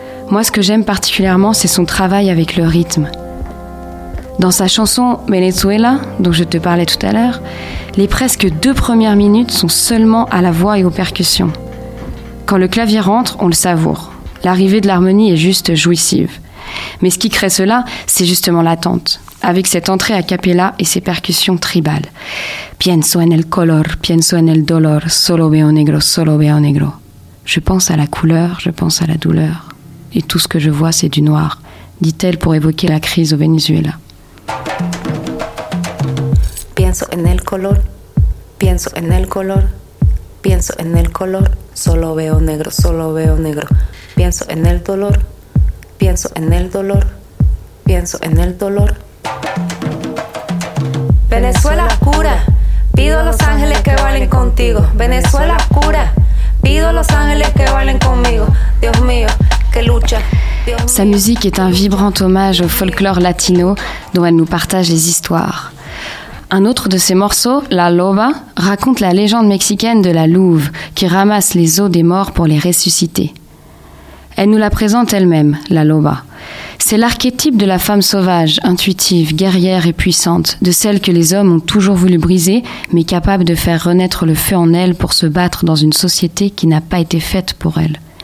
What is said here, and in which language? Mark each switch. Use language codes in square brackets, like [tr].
[fr] Moi, ce que j'aime particulièrement, c'est son travail avec le rythme. Dans sa chanson « Venezuela », dont je te parlais tout à l'heure, les presque deux premières minutes sont seulement à la voix et aux percussions. Quand le clavier rentre, on le savoure. L'arrivée de l'harmonie est juste jouissive. Mais ce qui crée cela, c'est justement l'attente, avec cette entrée a cappella et ses percussions tribales. [es] Pienso en el color, pienso en el dolor, solo veo negro, solo veo negro. [fr] Je pense à la couleur, je pense à la douleur, et tout ce que je vois, c'est du noir, dit-elle pour évoquer la crise au Venezuela. [es] Pienso en el color, pienso en el color, pienso en el color, solo veo negro, solo veo negro, pienso en el dolor. Pienso en el dolor, pienso en el dolor. Venezuela oscura, pido a los ángeles que valen contigo. Venezuela oscura, pido a los ángeles que valen conmigo. Dios mío, que lucha. [fr] Sa musique est un vibrant hommage au folklore latino dont elle nous partage les histoires. Un autre de ses morceaux, La Loba, raconte la légende mexicaine de la louve qui ramasse les os des morts pour les ressusciter. Elle nous la présente elle-même, la loba. C'est l'archétype de la femme sauvage, intuitive, guerrière et puissante, de celle que les hommes ont toujours voulu briser, mais capable de faire renaître le feu en elle pour se battre dans une société qui n'a pas été faite pour elle.